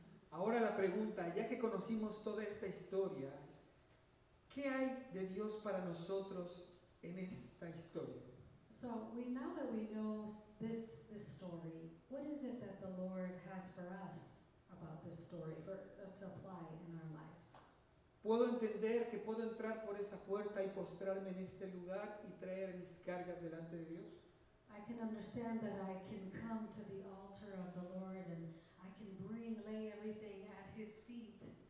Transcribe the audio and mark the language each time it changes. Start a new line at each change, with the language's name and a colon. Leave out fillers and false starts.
Spanish: Ahora la pregunta, ya que conocimos toda esta historia, es, ¿qué hay de Dios para nosotros en esta historia?
English: So we, now that we know this story, what is it that the Lord has for us about this story to apply in our lives?
Spanish: Puedo entender que puedo entrar por esa puerta y postrarme en este lugar y traer mis cargas delante de Dios.
English: I can understand that I can come to the altar of the Lord and I can bring, lay everything at his feet.